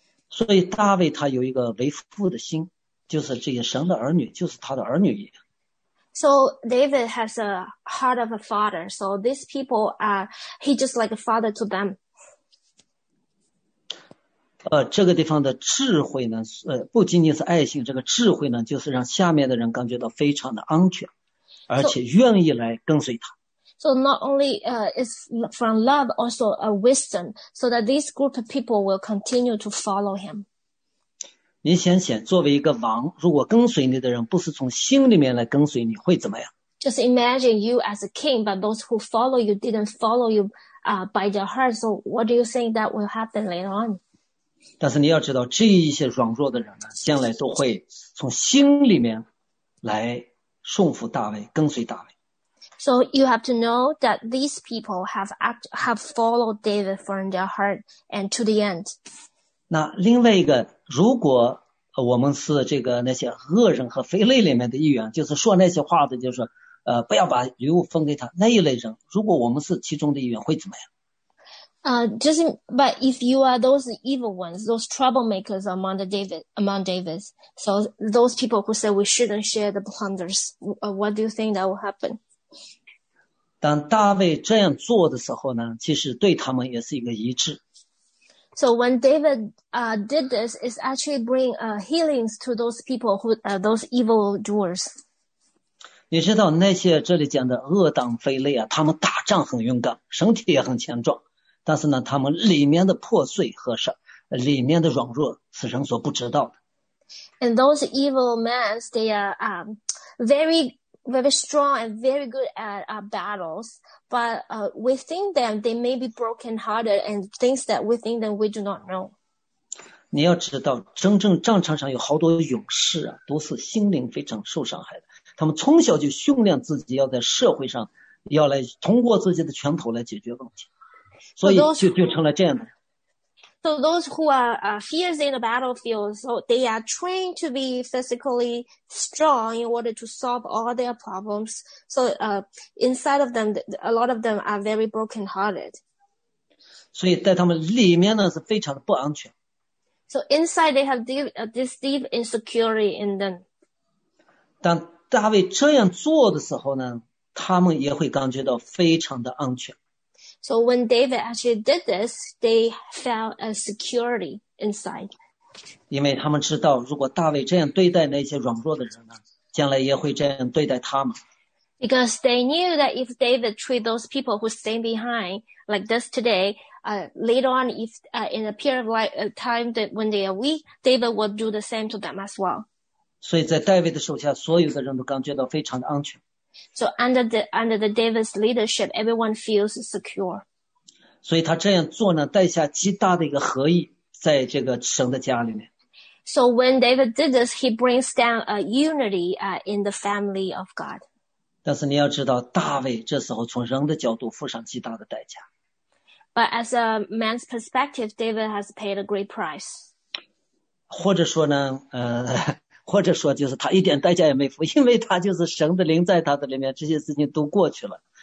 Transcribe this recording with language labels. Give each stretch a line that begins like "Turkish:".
Chinese: 所以大卫他有一个为父的心，就是这些神的儿女就是他的儿女一样。
English: So David has a heart of a father. So these people are, he just like a father to them.
Chinese: 这个地方的智慧呢，不仅仅是爱心，这个智慧呢，就是让下面的人感觉到非常的安全，而且愿意来跟随他。
English: So not only is from love, also a wisdom, so that this group of people will continue to follow him.
Chinese: 你想想，作为一个王，如果跟随你的人不是从心里面来跟随你，会怎么样？
English: Just imagine you as a king, but those who follow you didn't follow you by their heart. So what do you think that will happen later on?
Chinese: 但是你要知道，这一些软弱的人呢，将来都会从心里面来顺服大卫，跟随大卫。
English: So you have to know that these people have followed David from their heart and to the end.
Chinese: 那另外一个，如果我们是这个那些恶人和非类里面的一员，就是说那些话的，就是不要把礼物分给他那一类人。如果我们是其中的一员，会怎么样？
English: But if you are those evil ones, those troublemakers among Davids, so those people who say we shouldn't share the plunders, what do you think that will happen?
Chinese: 当大卫这样做的时候呢，其实对他们也是一个医治。
English: So when David did this, it's actually bring healings to those people who those evil doers.
Chinese: 你知道那些这里讲的恶党非类啊，他们打仗很勇敢，身体也很强壮。但是呢，他们里面的破碎和里面的软弱是人所不知道的。
English: And those evil men, they are very, very strong and very good at battles. But within them, they may be broken-hearted and things that within them we do not know.
Chinese: 你要知道，真正战场上有好多勇士啊，都是心灵非常受伤害的。他们从小就训练自己要在社会上，要来通过自己的拳头来解决问题。所以就成了这样的。
English: So those who are fierce in the battlefield, so they are trained to be physically strong in order to solve all their problems. So inside of them, a lot of them are very broken-hearted.
Chinese: 所以在他们里面呢是非常的不安全。
English: So inside they have this deep insecurity in them.
Chinese: 当大卫这样做的时候呢，他们也会感觉到非常的安全。
English: So when David actually did this, they felt a security inside.
Chinese: 因为他们知道，如果大卫这样对待那些软弱的人呢，将来也会这样对待他们。
English: Because they knew that if David treat those people who stay behind like this today, later on, if in a period of time that when they are weak, David would do the same to them as well.
Chinese: 所以在大卫的手下，所有的人都感觉到非常的安全。
English: So under the David's leadership, everyone feels secure.
Chinese: 所以他这样做呢，带下极大的一个和议在这个神的家里面。
English: So when David did this, he brings down a unity in the family of God.
Chinese: 但是你要知道，大卫这时候从人的角度付上极大的代价。
English: But as a man's perspective, David has paid a great price.
Chinese: 或者说呢，或者说就是他一点代价也没付，因为他就是神的灵在他的里面，这些事情都过去了。